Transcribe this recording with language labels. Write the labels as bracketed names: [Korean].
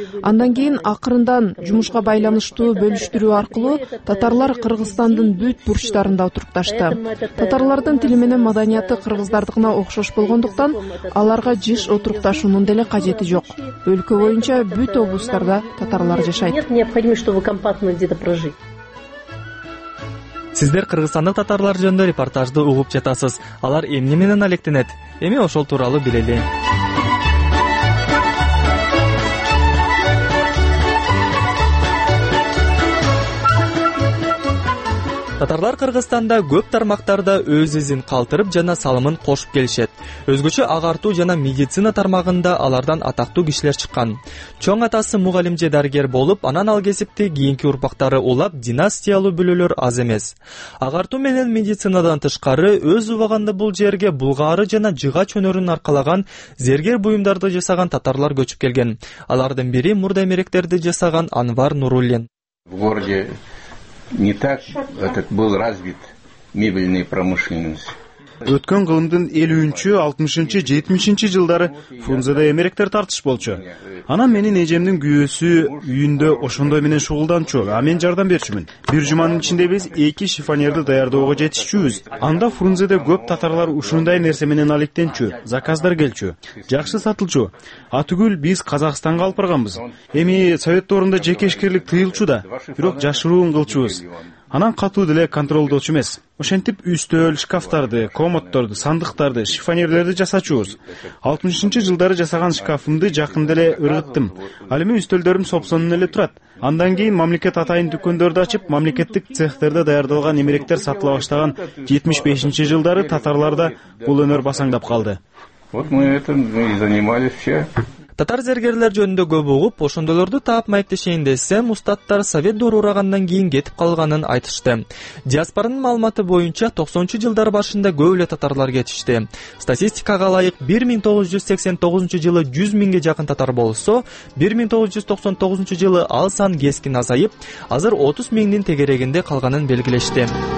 [Kyrgyz] Андан кийин акырындан жумушка байланыштуу бөлүштүрүү аркылуу татарлар Кыргызстандын бүт бурчтарында отурукташты. Татарлардын тили менен маданияты кыргыз дардыгына окшош болгондуктан аларга жыш отурукташуунун деле кажети жок. Өлкө боюнча бүт облустарда татарлар жашайт. [Russian] Нет необходимо, чтобы компактно где-то прожить. [Kyrgyz] Сиздер кыргызстандык татарлар жөнүндө репортажды угуп жатасыз. Алар эмне менен алектенет? Эми ошол тууралуу билели. Татарлар Кыргызстанда көп тармактарда өз изин калтырып жана салымын кошуп келишет. Өзгөчө агартуу жана медицина тармагында алардан атактуу кишилер чыккан. Чоң атасы мугалим же дарыгер болуп, анан ал кесипти кийинки урпактары улап династиялуу бүлөлөр аз эмес. Агартуу менен медицинадан тышкары өз убагында бул жерге булгаары жана жыгач өнөрүн аркалаган зергер буюмдарды жасаган татарлар көчүп келген. Алардын бири мурда эмеректерди жасаган Анвар Нуруллин. [Russian] В городе не так этот был развит мебельная промышленность. [Kyrgyz] Өткөн кылымдын 50-60-70-жылдары Фрунзеде эмеректер тартыш болчу. Анан менин эжемдин күйөөсү үйүндө ошондой менен шугулданчу, а мен жардам берчүмүн. Бир жуманын ичинде биз 2 шифонерди даярдоого жетишчүбүз. Анда Фрунзеде көп татарлар ушундай нерсе менен алектенчү, заказдар келчү, жакшы сатылчу. Атүгүл биз Казакстанга алып барганбыз. Эми совет доорунда жеке ишкерлик тыйылчу да, бирок жашыруун кылчубуз. Анан катуу деле контролдоочу эмес. Ошентип үстөл, шкафтарды, комодторду, сандыктарды, шифонерлерди жасачубуз. 60-чы жылдары жасаган шкафымды жакында эле ыргыттым. Ал эми үстөлдөрүм сопсонун эле турат. Андан кийин мамлекет атайын дүкөндөрдү ачып, мамлекеттик цехтерде даярдалган эмеректер сатыла баштаган 75-чы жылдары татарларда бул өнөр басаңдап калды. [Russian] Вот мы этим и занимались все. [Kyrgyz] Татар зергерлер жөнүндө көп угуп, ошондолорду таап майтышейин десем, устаттар совет доору урагандан кийин кетип калганын айтышты. Диаспоранын маалыматы боюнча 90-чу жылдар башында көп эле татарлар кетишти. Статистикага ылайык 1989 жылы 100 миңге жакын татар болсо, 1999 жылы ал сан кескин азайып, азыр 30 миңдин тегерегинде калганын белгилешти.